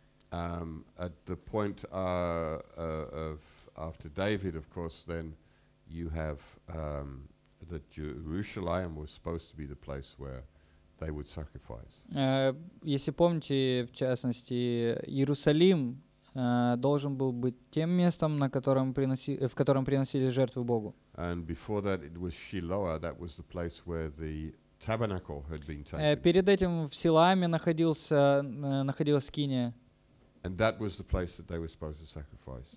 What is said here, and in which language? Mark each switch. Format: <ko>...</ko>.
<en>At the point of after David, of course, then you have that Jerusalem was supposed to be the place where they would sacrifice.</en> <ru>Если помните, в частности, Иерусалим должен был быть тем местом, на котором в котором приносили жертвы Богу.</ru> <en>And before that it was Shiloh, that was the place where the tabernacle had been taken.</en> <ru>Перед этим в Силааме находилась скиния.</ru> <en>And that was the place that they were supposed to sacrifice.</en>